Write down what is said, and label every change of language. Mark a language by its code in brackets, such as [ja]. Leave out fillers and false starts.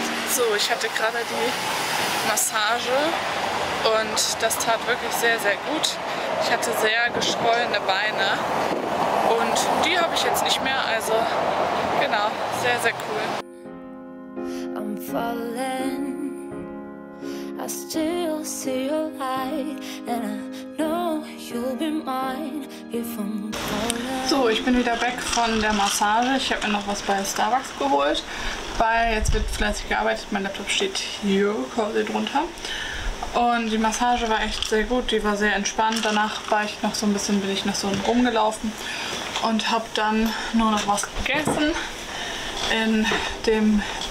[de] So, ich hatte gerade die Massage und das tat wirklich sehr, sehr gut. Ich hatte sehr geschwollene Beine und die habe ich jetzt nicht mehr, also genau, sehr, sehr cool. [en] I'm falling, I still see your light, and I know you'll be mine if I'm falling. [de] So, ich bin wieder weg von der Massage. Ich habe mir noch was bei Starbucks geholt, weil jetzt wird fleißig gearbeitet. Mein Laptop steht hier quasi drunter. Und die Massage war echt sehr gut, die war sehr entspannt. Danach war ich noch so ein bisschen, bin ich noch so rumgelaufen und habe dann nur noch was gegessen in dem